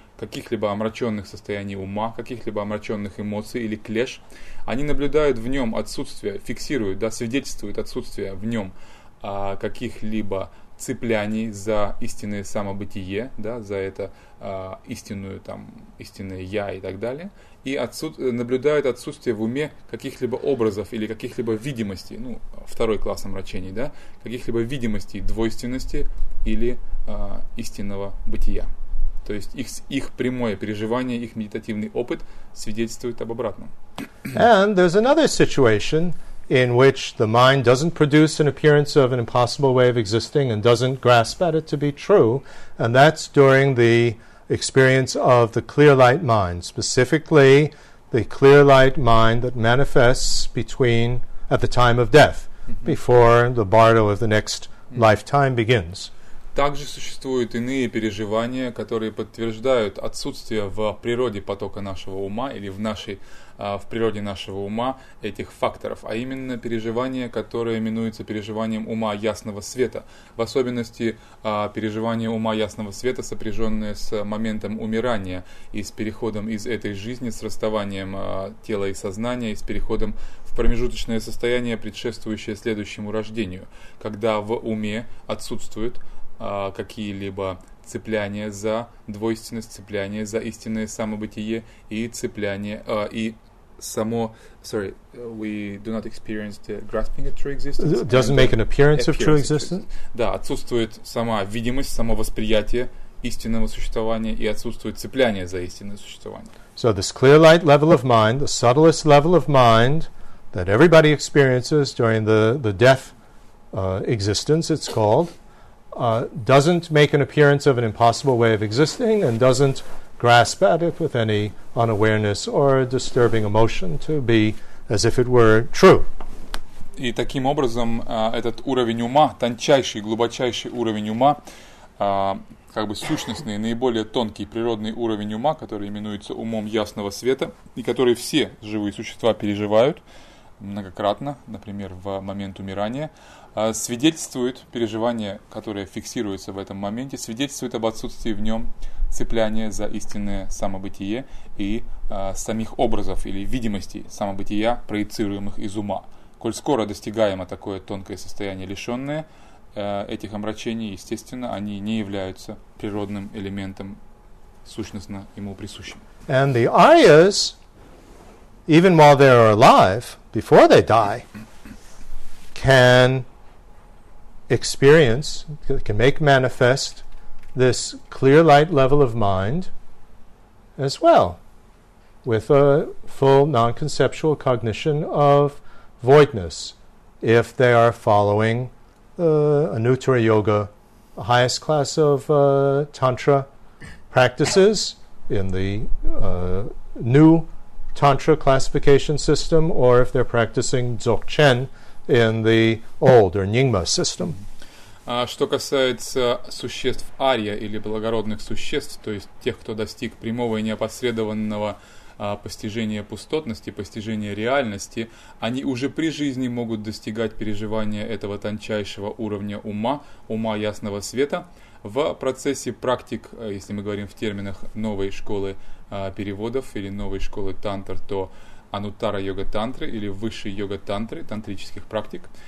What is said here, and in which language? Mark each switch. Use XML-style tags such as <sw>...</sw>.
<ru>каких-либо омраченных состояний ума, каких-либо омраченных эмоций или клеш, они наблюдают в нем отсутствие, фиксируют, да, свидетельствуют отсутствие в нем каких-либо цепляний за истинное самобытие, да, за это истинную, там, истинное я и так далее, и наблюдают отсутствие в уме каких-либо образов или каких-либо видимостей, ну, второй класс омрачений, да, каких-либо видимостей двойственности или истинного бытия. То есть их прямое переживание, их медитативный опыт свидетельствует об обратном.</ru> <en>And there's another situation in which the mind doesn't produce an appearance of an impossible way of existing and doesn't grasp at it to be true, and that's during the experience of the clear light mind, specifically the clear light mind that manifests between at the time of death, mm-hmm. before the bardo of the next mm-hmm. lifetime begins.</en> <ru>Также существуют иные переживания, которые подтверждают отсутствие в природе потока нашего ума или в нашей в природе нашего ума этих факторов, а именно переживание, которое именуется переживанием ума ясного света, в особенности переживание ума ясного света, сопряженное с моментом умирания и с переходом из этой жизни, с расставанием тела и сознания и с переходом в промежуточное состояние, предшествующее следующему рождению, когда в уме отсутствуют какие-либо цепляние за двойственность, цепляние за истинное самобытие и цепляние и само,</ru> <en>sorry, we do not experience the grasping of true existence. Doesn't make an appearance of true existence.</en> <ru>Да, отсутствует сама видимость, само восприятие истинного существования и отсутствует цепляние за истинное существование.</ru> <en>So this clear light level of mind, the subtlest level of mind that everybody experiences during the death existence, it's called, doesn't make an appearance of an impossible way of existing and doesn't grasp at it with any unawareness or disturbing emotion to be as if it were true.</en> <ru>И таким образом этот уровень ума, тончайший, глубочайший уровень ума, как бы сущностный, наиболее тонкий природный уровень ума, который именуется умом ясного света и который все живые существа переживают многократно, например, в момент умирания, свидетельствует переживание, которое фиксируется в этом моменте, свидетельствует об отсутствии в нем цепляния за истинное самобытие и самих образов или видимостей самобытия, проецируемых из ума. Коль скоро достигаемо такое тонкое состояние, лишенное этих омрачений, естественно, они не являются природным элементом, сущностно ему присущим.</ru> <en>And the ayahs, even while they are alive, before they die, can experience, can make manifest this clear light level of mind as well, with a full non-conceptual cognition of voidness, if they are following Anuttara Yoga, the highest class of Tantra practices in the new Tantra classification system, or if they're practicing Dzogchen in the old or Nyingma system.</en> <ru>Что касается существ ария или благородных существ, то есть тех, кто достиг прямого и неопосредованного постижения пустотности, постижения реальности, они уже при жизни могут достигать переживания этого тончайшего уровня ума, ума ясного света, в процессе практик, если мы говорим в терминах новой школы переводов или новой школы тантр, то ануттара-йога-тантры или высшей йога-тантры, тантрических практик.</ru>